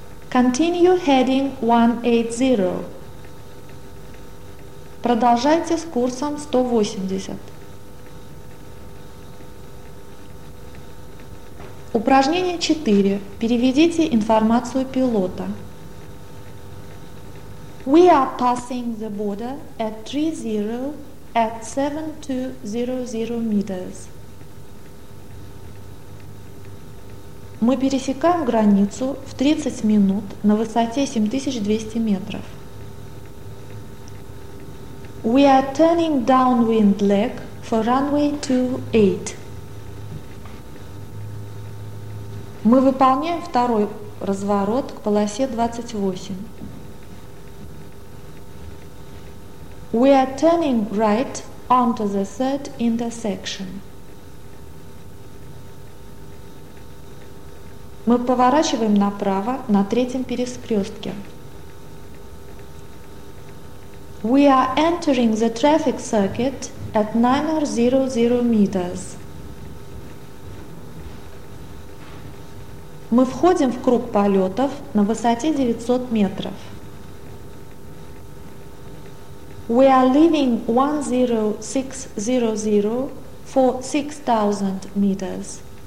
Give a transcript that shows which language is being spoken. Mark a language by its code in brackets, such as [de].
[en] Continue heading 180. [ru] Продолжайте с курсом 180. Упражнение 4. Переведите информацию пилота. [en] We are passing the border at 30 at 7200 meters. [ru] Мы пересекаем границу в 30 минут на высоте 7200 метров. [en] We are turning downwind leg for runway 28. [ru] Мы выполняем второй разворот к полосе 28. [en] We are turning right onto the third intersection. [ru] Мы поворачиваем направо на третьем перекрестке. [en] We are entering the traffic circuit at 900 meters. [ru] Мы входим в круг полетов на высоте 900 метров. [en] We are leaving 10600 for 6000 meters.